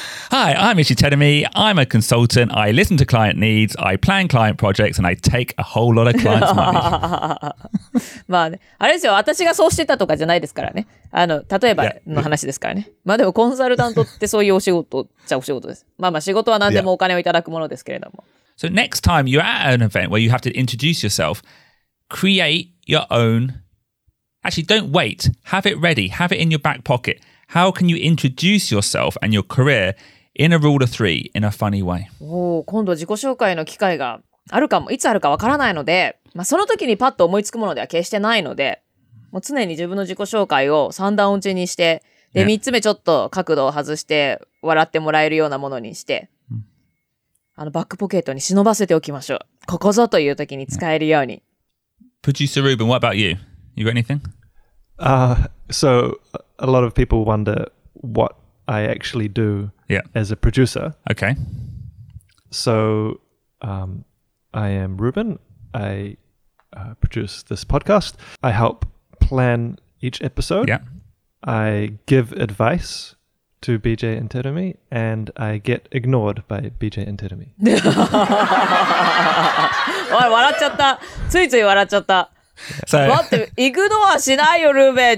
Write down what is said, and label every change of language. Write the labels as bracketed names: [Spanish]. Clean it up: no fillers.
[English] Hi, I'm Ishi Tedemi. I'm a consultant. I listen to client needs. I plan client projects and I take a whole lot of clients' money. [Japanese] まあね、あれですよ。私がそうしてたとかじゃないですからね。あの、例えばの話ですからね。 [English] Yeah. [Japanese] まあでもコンサルタントってそういうお仕事っちゃお仕事です。まあまあ仕事は何でもお金をいただくものですけれども。 [English] Yeah. So next time you're at an event where you have to introduce yourself, create your own... Actually, don't wait. Have it ready. Have it in your back pocket. How can you introduce yourself and your career... In a rule of three, in a funny way. [Japanese] おお、今度自己紹介の機会があるかも、いつあるかわからないので、まあ、その時にパッと思いつくものでは決してないので、もう常に自分の自己紹介を三段落ちにして、で、三つ目ちょっと角度を外して笑ってもらえるようなものにして、あのバックポケットに忍ばせておきましょう。ここぞという時に使えるように。 [English] Producer Ruben, what about you? You got anything? So a lot of people wonder what. I actually do as a producer. Okay. So, I am Ruben. I produce this podcast. I help plan each episode. Yeah. I give advice to BJ and Terumi, and I get ignored by BJ and Terumi. [Japanese] おい、笑っちゃった。ついつい笑っちゃった。 [English] So, [Japanese] 待って、イグノアしないよ、ルーベン。